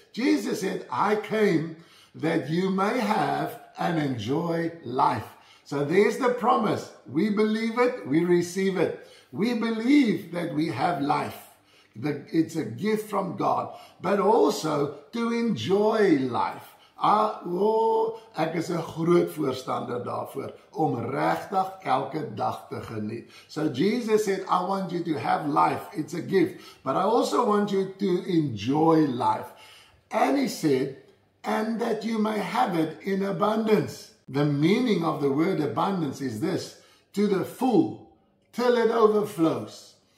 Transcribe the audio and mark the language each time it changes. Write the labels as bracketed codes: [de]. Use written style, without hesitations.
[en] Jesus said, "I came that you may have and enjoy life." So there's the promise. We believe it, we receive it. We believe that we have life. It's a gift from God, but also to enjoy life. [af] Ek is 'n groot voorstander daarvoor om regtig elke dag te geniet. [en] So Jesus said, "I want you to have life. It's a gift, but I also want you to enjoy life." And he said, "And that you may have it in abundance." The meaning of the word abundance is this: to the full, till it overflows.